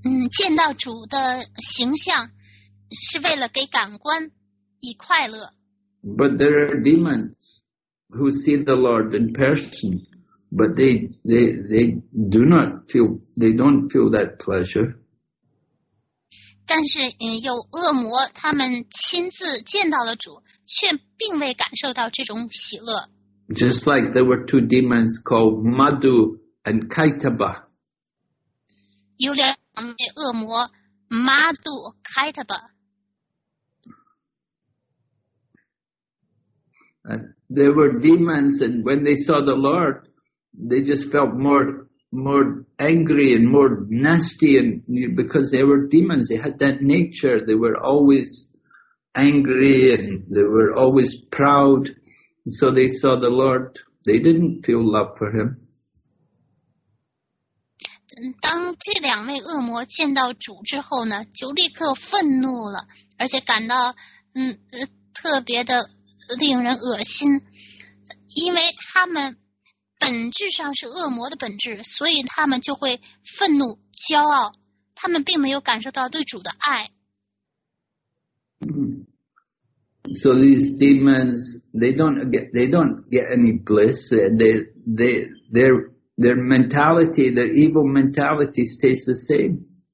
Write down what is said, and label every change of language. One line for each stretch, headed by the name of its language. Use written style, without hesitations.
Chinese: 见到主的形象是为了给感官以快乐。
English: But there are demons who see the Lord in person, but they do not feel, they don't feel that pleasure.
Chinese: 但是有恶魔，他们亲自见到了主，却并未感受到这种喜乐。
English: Just like there were two demons called Madhu and Kaitaba.
Chinese: 有两位恶魔 ，Madhu Kaitaba.
English: And there were demons, and when they saw the Lord, they just felt more angry and more nasty, and because they were demons, they had that nature. They were always angry and they were always proud. And so they saw the Lord, they didn't feel love for him.
Chinese: 当这两位恶魔见到主之后呢，就立刻愤怒了，而且感到特别的令人恶心，因为他们本质上是恶魔的本质，所以他们就会愤怒、骄傲，他们并没有感受到对主的爱。
English: So these demons, they don't get any bliss. Their mentality, their evil mentality stays the same.